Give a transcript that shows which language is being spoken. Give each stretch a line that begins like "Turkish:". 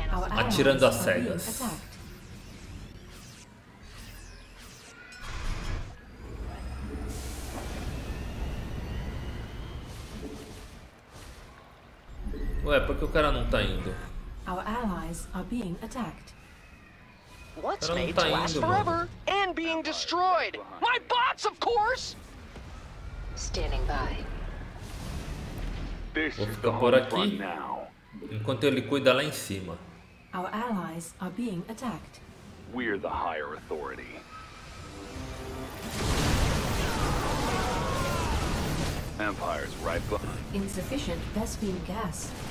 Portuguese: Atirando às cegas. Ué, por que o cara não tá indo?
English: Our allies are being attacked. What's made to last forever and being destroyed? My bots, of course. Standing by.
Portuguese: Vou ficar por aqui enquanto ele cuida lá em cima.
English: Our allies are being attacked. We're the higher authority. Empire's right behind. Insufficient Vespian gas.